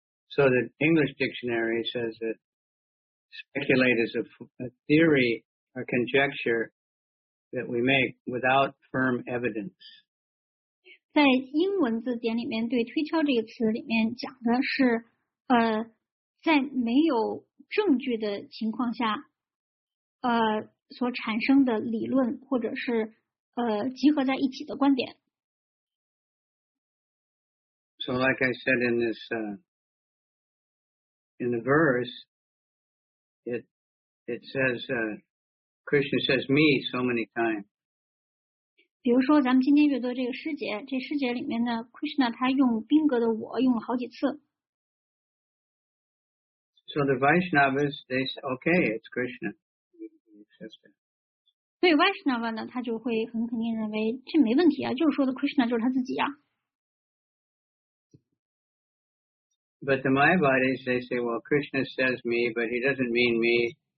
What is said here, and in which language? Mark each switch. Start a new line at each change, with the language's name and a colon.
English: So the English dictionary says that speculate is a theory or conjecture that we make without firm evidence.
Chinese: 在英文字典里面对推敲这个词里面讲的是在没有证据的情况下所产生的理论或者是集合在一起的观点。
English: So like I said in this in the verse, it It says, Krishna says me so many times.
Chinese: 比如说咱们今天阅读这个诗节，这诗节里面呢 Krishna 他用宾格的我用了好几次。
English: So the Vaishnavas, they say, okay, it's Krishna.
Chinese: So Vaishnava 呢他就会很肯定认为这没问题啊，就是说的 Krishna 就是他自己啊。
English: But the Mayavadis, they say, well, Krishna says me, but he doesn't mean me.